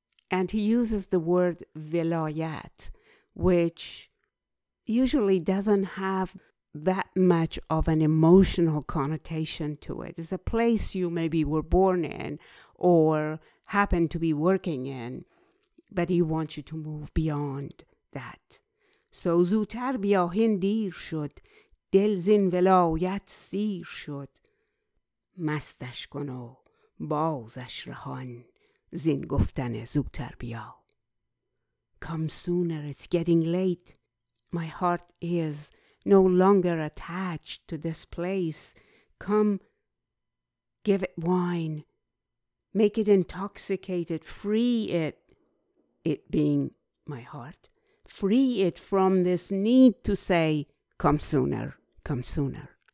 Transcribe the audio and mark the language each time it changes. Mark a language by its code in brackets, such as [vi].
[en] And he uses the word vilayat, which usually doesn't have that much of an emotional connotation to it. It's a place you maybe were born in or happen to be working in, but he wants you to move beyond that. [fa] So زوتر بیا هین دیر شد دل زین ولایت سیر شد مستش کن و بازش رهان زین گفتن زوتر بیا. [en] Come sooner, it's getting late. My heart is no longer attached to this place. Come, give it wine. Make it intoxicated. Free it. It being my heart. Free it from this need to say, come sooner, come sooner.